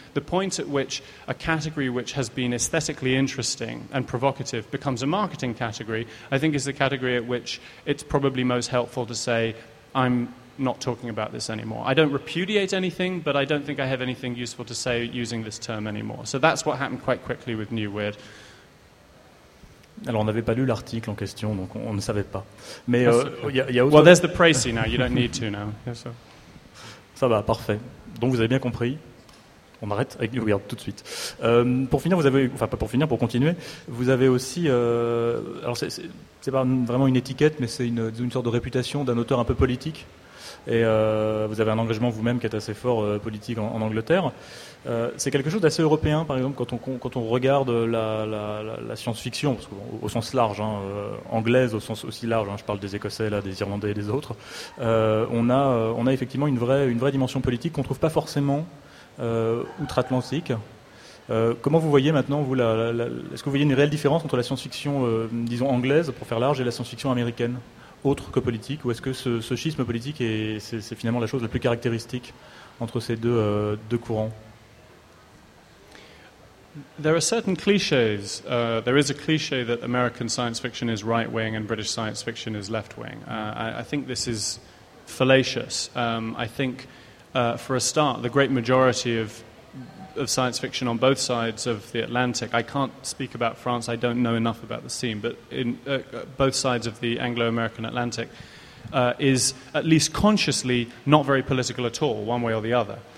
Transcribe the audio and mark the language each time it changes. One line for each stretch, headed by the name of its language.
English: The point at which a category which has been aesthetically interesting and provocative becomes a marketing category, I think is the category at which it's probably most helpful to say, I'm not talking about this anymore. I don't repudiate anything, but I don't think I have anything useful to say using this term anymore. So that's what happened quite quickly with New Weird.
French: Alors, on n'avait pas lu l'article en question, donc on ne savait pas. Mais
English: Well, there's the pricey now. You don't need to now. Yes,
French: ça va, parfait. Donc, vous avez bien compris. On arrête avec New Weird tout de suite. Pour finir, pour continuer, vous avez aussi... alors, c'est pas vraiment une étiquette, mais c'est une sorte de réputation d'un auteur un peu politique. Et vous avez un engagement vous-même qui est assez fort politique en Angleterre. C'est quelque chose d'assez européen, par exemple, quand on regarde la science-fiction, parce qu'au sens large, anglaise au sens aussi large, je parle des Écossais, là, des Irlandais et des autres, on a effectivement une vraie dimension politique qu'on ne trouve pas forcément outre-Atlantique. Comment vous voyez maintenant, est-ce que vous voyez une réelle différence entre la science-fiction, disons, anglaise, pour faire large, et la science-fiction américaine, autre que politique, ou est-ce que ce schisme politique c'est finalement la chose la plus caractéristique entre ces deux courants?
English: There are certain clichés. There is a cliché that American science fiction is right-wing and British science fiction is left-wing. I think this is fallacious. For a start, the great majority of science fiction on both sides of the Atlantic, I can't speak about France, I don't know enough about the scene, but in both sides of the Anglo-American Atlantic, is at least consciously not very political at all, one way or the other.